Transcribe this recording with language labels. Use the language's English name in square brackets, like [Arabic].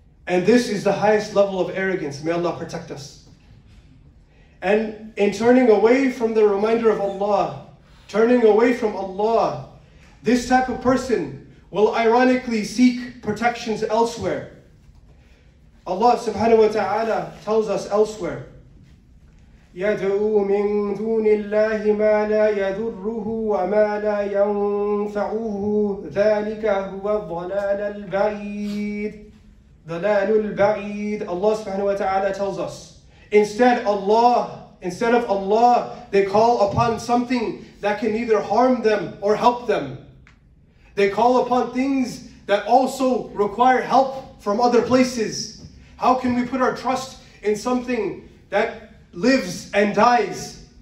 [English] And this is the highest level of arrogance. May Allah protect us. And in turning away from the reminder of Allah, turning away from Allah, this type of person will ironically seek protections elsewhere. Allah subhanahu wa ta'ala tells us elsewhere, [Arabic] يَدْعُو مِن دُونِ اللَّهِ مَا لَا يَذُرُّهُ وَمَا لَا يَنْفَعُهُ ذَلِكَ هُوَ الضَّلَالُ الْبَعِيدُ ضَلَالُ الْبَعِيدُ. [English] Allah subhanahu wa ta'ala tells us, instead of Allah, they call upon something that can neither harm them or help them. They call upon things that also require help from other places. How can we put our trust in something that lives and dies?